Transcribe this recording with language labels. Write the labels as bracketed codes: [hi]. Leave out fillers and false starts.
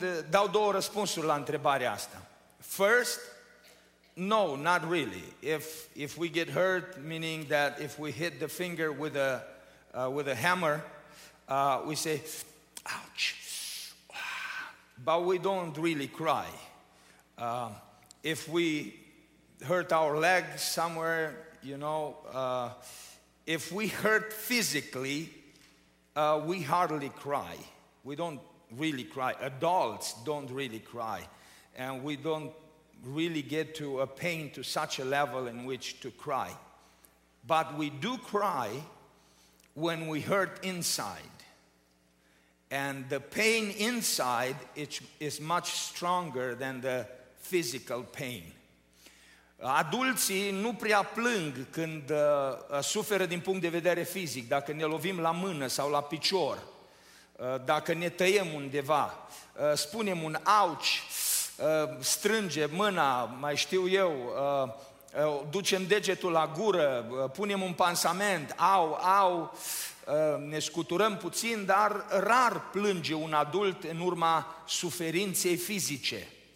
[ro] Dau două răspunsuri la întrebarea asta. [en] First, no, not really. If we get hurt, meaning that if we hit the finger with a hammer, we say, ouch, but we don't really cry. If we hurt our leg somewhere, you know, if we hurt physically, we hardly cry. We don't really cry. Adults don't really cry, and we don't really get to a pain to such a level in which to cry. But we do cry when we hurt inside. And the pain inside is much stronger than the physical pain. [ro] Adulții nu prea plâng când suferă din punct de vedere fizic, dacă ne lovim la mână sau la picior, dacă ne tăiem undeva, spunem un auci, strânge mâna, mai știu eu, ducem degetul la gură, punem un pansament, au, au, ne scuturăm puțin, dar rar plânge un adult în urma suferinței fizice.